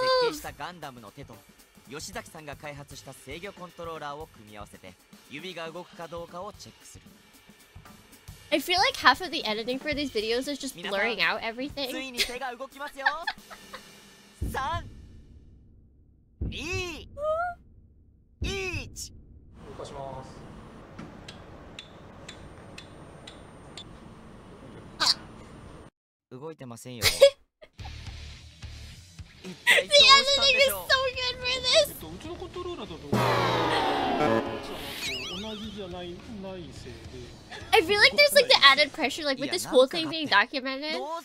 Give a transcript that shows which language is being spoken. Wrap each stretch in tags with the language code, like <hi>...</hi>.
<ja>設計したガンダムの手と吉崎さんが開発した制御コントローラーを組み合わせて指が動くかどうかをチェックする。</ja> <en>I feel like half of the editing for these videos is just blurring out everything.</en> <ja>ついに手が動きますよ。三、二、一。動かします。動いてませんよ。</ja> <en>The editing is so good for this.</en> <ja>うちのコントローラーだと。</ja> <en>I feel like there's like the added pressure, like with this whole thing being documented.</en>